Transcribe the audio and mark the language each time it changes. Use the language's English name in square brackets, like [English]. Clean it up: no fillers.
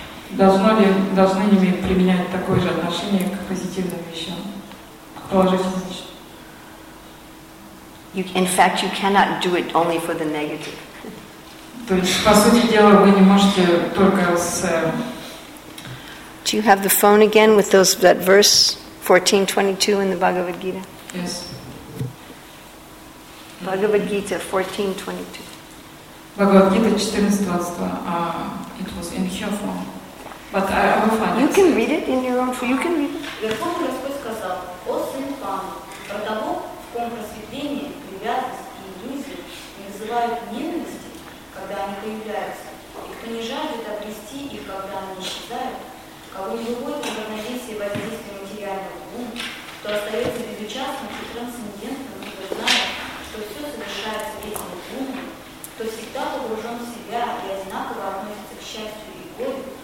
[Russian] Должны ли мы применять такое же отношение к позитивным вещам? Положительным вещам? [English] In fact, you cannot do it only for the negative. [Russian] То есть, по сути дела, вы не можете только с... [English] Do you have the phone again with that verse 14:22 in the Bhagavad Gita? Yes. Bhagavad Gita 14:22. Bhagavad Gita 14:22. It was in your phone. But I will find it. You can read it in your own phone. You can read it. [Russian] Верховный Господь сказал, «О сын Пану, про того, в ком просветление, привязанность и иллюзия не вызывают ненависти, когда они появляются, и кто не жаждет обрести их, когда они исчезают, кого не выводит на равновесие воздействия материального ума, кто остается безучастным и трансцендентным, кто знает, что все совершается этим умом, кто всегда погружен в себя и одинаково относится к счастью и горю».